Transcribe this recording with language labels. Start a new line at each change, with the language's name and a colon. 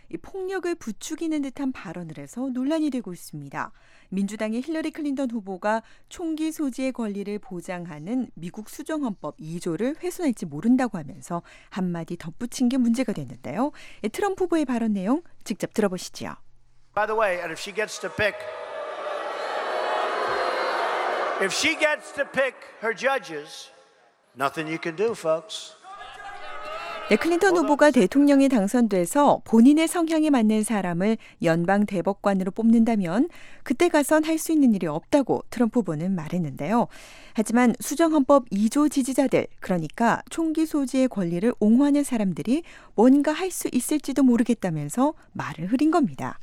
Korean: 폭력을 부추기는 듯한 발언을 해서 논란이 되고 있습니다. 민주당의 힐러리 클린턴 후보가 총기 소지의 권리를 보장하는 미국 수정헌법 2조를 훼손할지 모른다고 하면서 한마디 덧붙인 게 문제가 됐는데요. 트럼프 후보의 발언 내용 직접 들어보시죠.
English: By the way, and if she gets to pick, if she gets to pick her judges, nothing you can do, folks.
Korean: 네, 클린턴 후보가 대통령이 당선돼서 본인의 성향에 맞는 사람을 연방 대법관으로 뽑는다면 그때 가선 할 수 있는 일이 없다고 트럼프 후보는 말했는데요. 하지만 수정헌법 2조 지지자들, 그러니까 총기 소지의 권리를 옹호하는 사람들이 뭔가 할 수 있을지도 모르겠다면서 말을 흐린 겁니다.